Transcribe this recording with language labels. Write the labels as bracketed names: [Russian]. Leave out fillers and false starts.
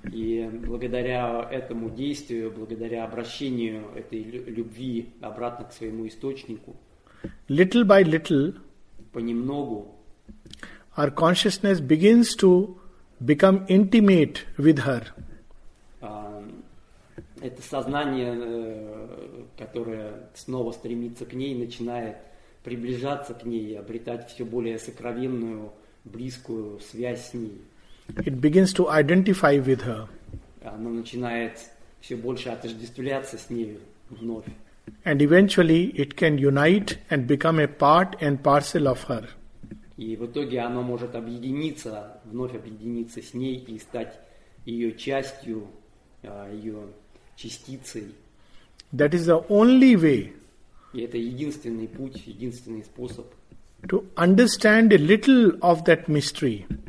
[Russian] И благодаря этому действию, благодаря обращению этой любви обратно к своему источнику. [English] Little by little. [Russian] Понемногу. [English] Our consciousness begins to become intimate with her. [Russian] Это сознание, которое снова стремится к ней, начинает приближаться к ней, обретать все более сокровенную, близкую связь с ней. [English] It begins to identify with her. [Russian] Оно начинает все больше отождествляться с ней вновь. [English] And eventually it can unite and become a part and parcel of her. [Russian] И в итоге оно может объединиться, вновь объединиться с ней и стать ее частью, ее частицей. [English] That is the only way. [Russian] И это единственный путь, единственный способ. [English] To understand a little of that mystery.